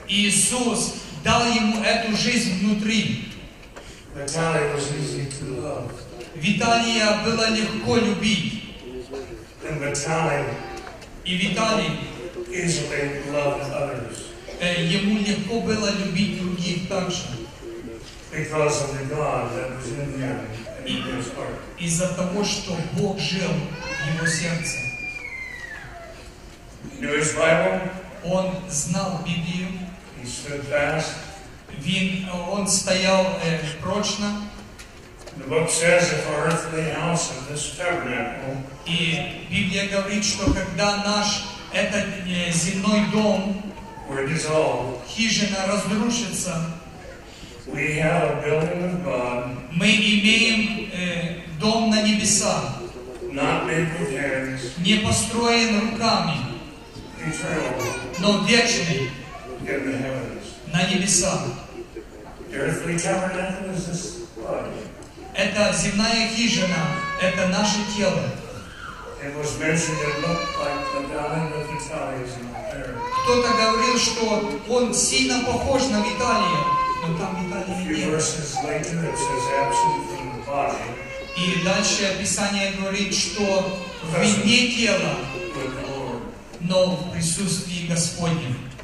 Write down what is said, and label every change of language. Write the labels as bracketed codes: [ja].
[ru] Иисус дал ему эту жизнь внутри. [en] Vitaly was easy to love. [ru] Виталия было легко любить. [en] And Vitaly, [ru] и Виталий [en] easily loved others. [ru] Ему легко было любить других также. [en] Because of the God that was in him and in his heart. [ru] Из-за того, что Бог жил в его сердце. [en] He knew his Bible. [ru] Он знал Библию. [en] He stood fast. [ru] Он стоял прочно. [en] The book says if our earthly house of this tabernacle. [ru] И Библия говорит, что когда наш этот земной дом, [en] where it is all, [ru] хижина разрушится, [en] we have a building of God, [ru] мы имеем дом на небесах, [en] not made with hands, [ru] не построен руками, [en] eternal, [ru] но вечный, [en] in the heavens, [ru] на небесах. [en] The earthly tabernacle is this body. [ru] Это земная хижина, это наше тело. [en] It was mentioned it looked like the dying of Vitalis in prayer. [ru] Кто-то говорил, что он сильно похож на Виталия, но там Виталия нет. [en] A few verses later it says absent from the body. [ru] И дальше Писание говорит, что вне тела, но в присутствии Господнем.